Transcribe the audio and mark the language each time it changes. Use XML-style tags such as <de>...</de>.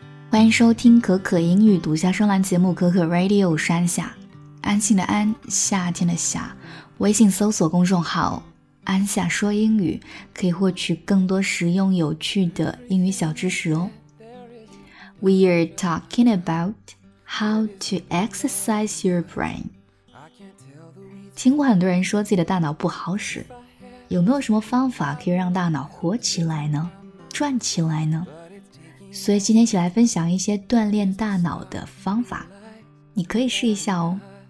<zh>欢迎收听可可英语独家声浪节目可可 Radio 山下，安心的安，夏天的夏。微信搜索公众号安夏说英语，可以获取更多实用有趣的英语小知识哦。</zh> <en>We are talking about how to exercise your brain。</en> <zh>听过很多人说自己的大脑不好使，有没有什么方法可以让大脑活起来呢，转起来呢？所以今天一起来分享一些锻炼大脑的方法，你可以试一下哦。</zh>